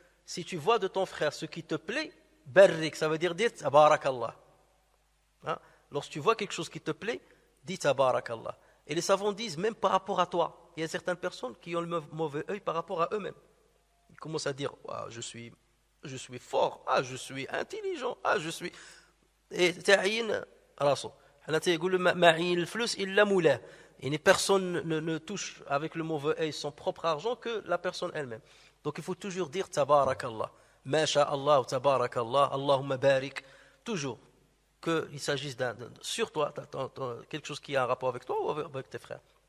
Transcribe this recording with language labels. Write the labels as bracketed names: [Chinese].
[French] Si tu vois de ton frère ce qui te plaît, برك, ça veut dire [Arabic] تبارك الله. [French] Hein? Lorsque tu vois quelque chose qui te plaît, dis [Arabic] تبارك الله. [French] Et les savants disent, même par rapport à toi, il y a certaines personnes qui ont le mauvais œil par rapport à eux-mêmes. Ils commencent à dire, ah, je suis fort, ah, je suis intelligent, ah, je suis. Et [Arabic] تعين راسو. حنا تيقول معي الفلوس إلا مولاه. [French] Et personne ne touche avec le mauvais œil son propre argent que la personne elle-même. Donc il faut toujours dire Tabarakallah, Masha Allah, Tabarakallah, Allahumma barik. Toujours qu'il s'agisse d'un sur toi, quelque chose qui a un rapport avec toi ou avec tes frères.